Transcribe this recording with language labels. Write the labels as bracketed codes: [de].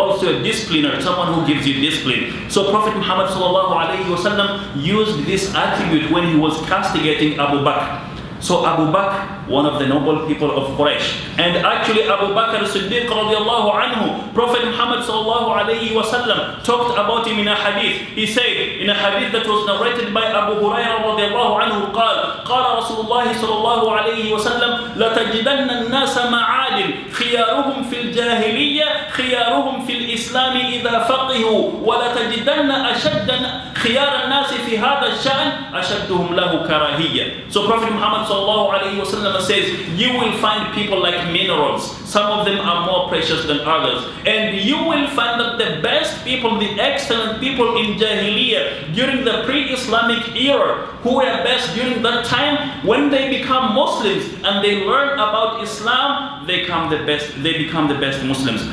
[en] Also a discipliner, someone who gives you discipline. So Prophet Muhammad sallallahu alayhi wasallam used this attribute when he was castigating Abu Bakr. So Abu Bakr, one of the noble people of Quraysh, and actually Abu Bakr Siddiq radiallahu anhu, Prophet Muhammad sallallahu alayhi wasallam talked about him in a hadith. He said in a hadith that was narrated by Abu Hurairah radiallahu anhu, [ar] قال رسول الله صلى الله عليه وسلم لتجدن الناس معادل خيارهم في الجاهلية خيارهم في الإسلام إذا فقهوا ولتجدن أشد خيار الناس في هذا الشأن أشدهم له كراهية. [en] So Prophet Muhammad sallallahu alayhi wasallam says, you will find people like minerals. Some of them are more precious than others. And you will find that the best people, the excellent people in Jahiliyyah during the pre-Islamic era, who were best during that time, when they become Muslims and they learn about Islam, they become the best Muslims.